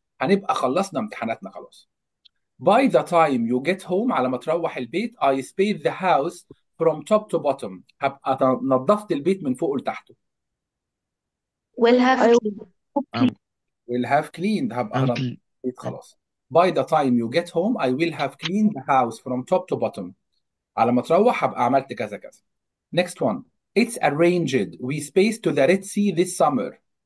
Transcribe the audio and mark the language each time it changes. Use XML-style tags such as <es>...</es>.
<ar>هنبقى خلصنا امتحاناتنا خلاص.</ar> <en>By the time you get home,</en> <ar>على ما تروح البيت,</ar> <en>I sweep the house from top to bottom.</en> <ar>هبقى نظفت البيت من فوق لتحت.</ar> <en>Will have clean. Will have cleaned.</en> <ar>هبقى</ar> <en>Uncle.</en> <ar>نظفت البيت خلاص.</ar> <en>By the time you get home, I will have cleaned the house from top to bottom.</en> <ar>على ما تروح هبقى عملت كذا كذا.</ar> <en>Next one. It's arranged. We space to the Red Sea this summer.</en>